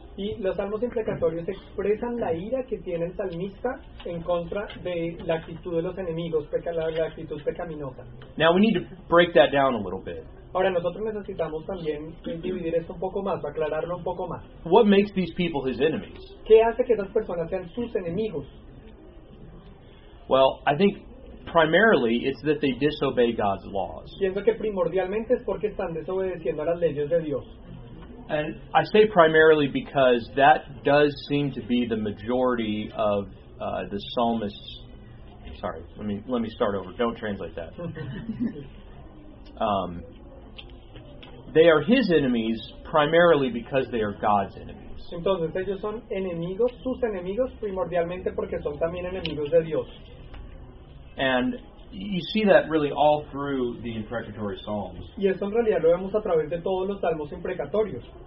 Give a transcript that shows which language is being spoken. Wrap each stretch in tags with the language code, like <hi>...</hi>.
<es>Y los salmos imprecatorios expresan la ira que tiene el salmista en contra de la actitud de los enemigos, la actitud pecaminosa.</es> <en>Now we need to break that down a little bit.</en> <es>Ahora nosotros necesitamos también dividir esto un poco más, aclararlo un poco más.</es> <en>What makes these people his enemies?</en> <es>¿Qué hace que esas personas sean sus enemigos?</es> <en>Well, I think primarily it's that they disobey God's laws.</en> <es>Pienso que primordialmente es porque están desobedeciendo a las leyes de Dios.</es> <en>And I say primarily because that does seem to be the majority of the psalmist's... Sorry, let me start over. Don't translate that. They are his enemies primarily because they are God's enemies.</en> <es>Entonces ellos son enemigos, sus enemigos, primordialmente porque son también enemigos de Dios.</es> <en>And you see that really all through the imprecatory psalms.</en> <es>Y eso en realidad lo vemos a través de todos los salmos imprecatorios.</es>